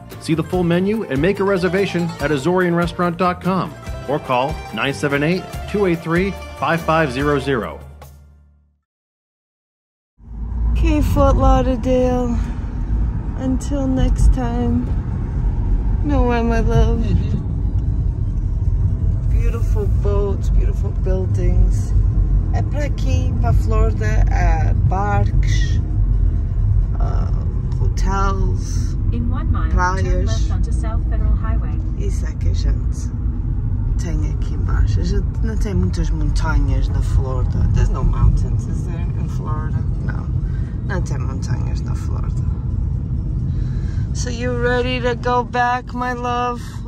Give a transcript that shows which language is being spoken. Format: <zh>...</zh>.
<en>See the full menu and make a reservation at azoreanrestaurant.com or call 978-283-5500. Okay, Fort Lauderdale. Until next time. No way, my love. Mm-hmm. Beautiful boats, beautiful buildings.</en> <pt>É para aqui, para Florida, barques, hotels,</pt> <en>in 1 mile,</en> <pt>praias.</pt> <en>Turn left onto South Federal Highway.</en> <pt>Isso é que a gente tem aqui embaixo. A gente não tem muitas montanhas na Florida.</pt> <en>There's no mountains, is there, in Florida? No.</en> <pt>Não tem montanhas na Florida.</pt> <en>So you ready to go back, my love?</en>